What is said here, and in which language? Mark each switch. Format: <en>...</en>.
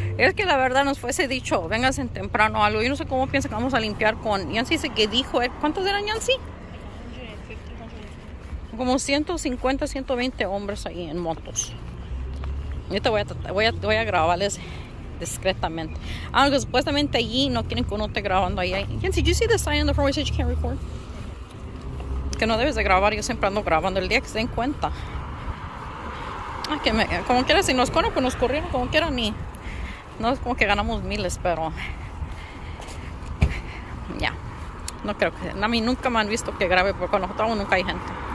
<es>Es que la verdad nos fuese dicho, vénganse temprano o algo. Yo no sé cómo piensa que vamos a limpiar con. Yancy dice que dijo, ¿cuántos eran, Yancy? Como 150, 120 hombres ahí en motos. Ahorita voy a grabarles discretamente. Aunque supuestamente allí no quieren que uno esté grabando ahí.</es> <en>Yancy, ¿did you see the sign on the front where it says you can't record?</en> <es>Que no debes de grabar, yo siempre ando grabando el día que se den cuenta. Que me, como quiera, si nos corren, pues nos corrieron como quiera, ni no es como que ganamos miles, pero ya, yeah. No creo que, a mí nunca me han visto que grabe, porque cuando estamos nunca hay gente.</es>